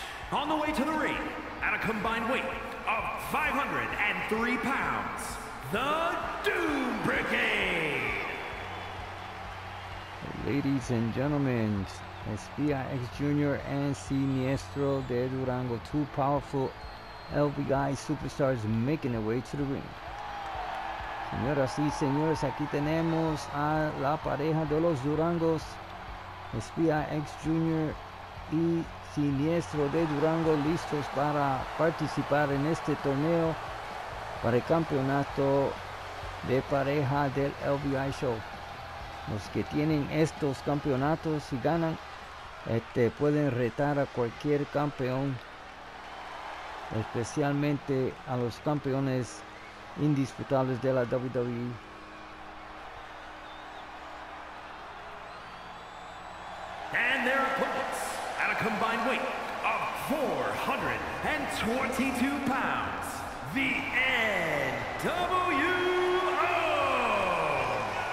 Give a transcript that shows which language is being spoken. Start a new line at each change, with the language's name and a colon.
English: On the way to the ring, at a combined weight of 503 pounds, the Doom Brigade. Ladies and gentlemen, Espia X Jr. and Siniestro de Durango, two powerful LVI superstars making their way to the ring.
Spanish: Señoras y señores, aquí tenemos a la pareja de los Durangos, Espia X Jr. y Siniestro de Durango, listos para participar en este torneo para el campeonato de pareja del LVI Show. Los que tienen estos campeonatos y ganan, pueden retar a cualquier campeón, especialmente a los campeones indisputables de la WWE.
English: And their opponents, at a combined weight of 422 pounds, the NWO.